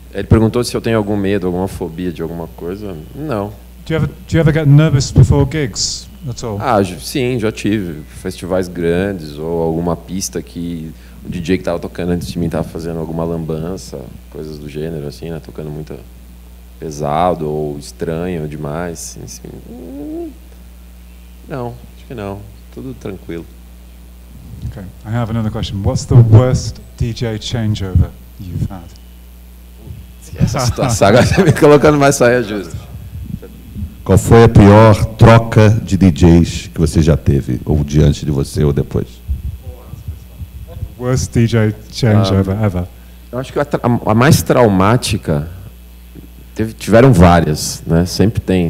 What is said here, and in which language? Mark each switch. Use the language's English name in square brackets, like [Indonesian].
[Portuguese] Ele perguntou se eu tenho algum medo, alguma fobia de alguma coisa. Não. [English] Do you ever get nervous before gigs? [Portuguese] Ah, sim, já tive festivais grandes ou alguma pista que o DJ que estava tocando antes de mim estava fazendo alguma lambança, coisas do gênero, assim, né? Tocando muito pesado ou estranho demais. Assim. Não, acho que não. Tudo tranquilo. [English] Okay, I have another question. What's the worst DJ changeover you've had? [Portuguese] Essa saga está me colocando mais saia justa. Qual foi a pior troca de DJs que você já teve? Ou diante de você, ou depois? [English] Worst DJ change ever. [Portuguese] Eu acho que a mais traumática... Tiveram várias, né? Sempre tem.